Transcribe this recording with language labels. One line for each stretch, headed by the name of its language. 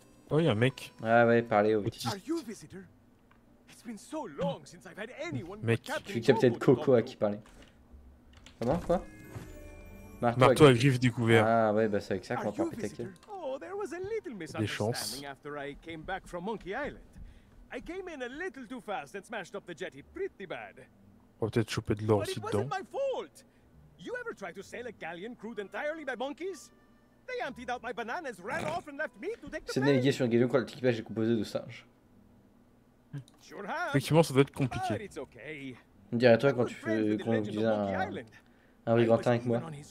French: Oh, il y a un mec. Ah ouais, parlez au mec. Je suis capitaine Coco à qui parler. Comment, quoi? Marteau à griffes découvert. Ah ouais, bah c'est avec ça qu'on va pas attaquer.
English: Oh, there was a little misunderstanding after I came back from Monkey Island. I came in a little too fast and smashed up the jetty pretty bad.
French: On va peut-être choper de l'or aussi dedans.
English: But it wasn't my fault. You ever try to sail a galleon crewed entirely by monkeys? They emptied out my bananas, ran off and left me to take the bait.
French: Naviguer sur un galion quand l'équipage est composé de singes.
English: Sure have.
French: Effectivement, ça doit être compliqué. Okay. On dirait toi quand tu fais quand tu disais un brigantin avec moi.